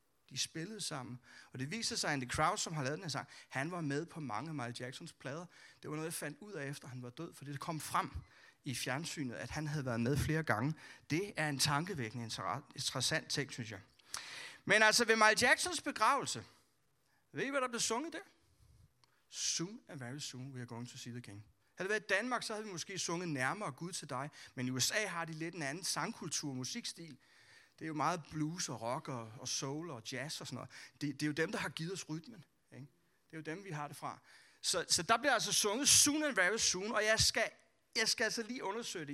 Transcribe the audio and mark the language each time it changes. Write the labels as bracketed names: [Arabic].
[Danish] De spillede sammen, og det viser sig, at Andy Crouch, som har lavet den her sang, han var med på mange af Michael Jacksons plader. Det var noget, jeg fandt ud af, efter han var død, for det kom frem i fjernsynet, at han havde været med flere gange. Det er en tankevækkende interessant ting, synes jeg. Men altså, ved Michael Jacksons begravelse, ved I, hvad der blev sunget der? [English] Soon and very soon, we are going to see the king. [Danish] Havde det været i Danmark, så havde vi måske sunget nærmere Gud til dig. Men i USA har de lidt en anden sangkultur og musikstil. Det er jo meget blues og rock og soul og jazz og sådan noget. Det er jo dem, der har givet os rytmen. Ikke? Det er jo dem, vi har det fra. Så der bliver altså sunget soon and very soon. Og jeg skal altså lige undersøge det.